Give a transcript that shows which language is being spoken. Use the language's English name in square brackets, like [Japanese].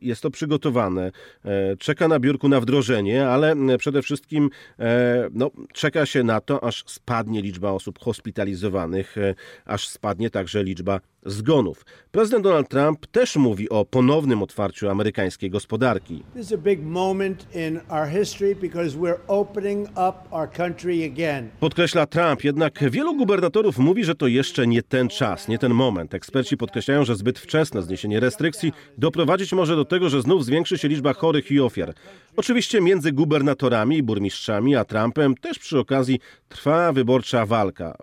[Polish] Jest to przygotowane. Czeka na biurku na wdrożenie, ale przede wszystkim czeka się na to, aż spadnie liczba osób hospitalizowanych, aż spadnie także liczba zgonów. Prezydent Donald Trump też mówi o ponownym otwarciu amerykańskiej gospodarki. [English] This is a big moment in our history because we're opening up our country again. [Polish] Podkreśla Trump, jednak wielu gubernatorów mówi, że to jeszcze nie ten czas, nie ten moment. Eksperci podkreślają, że zbyt wczesne zniesienie restrykcji doprowadzić może do tego, że znów zwiększy się liczba chorych i ofiar. Oczywiście między gubernatorami i burmistrzami, a Trumpem też przy okazji trwa wyborcza walka.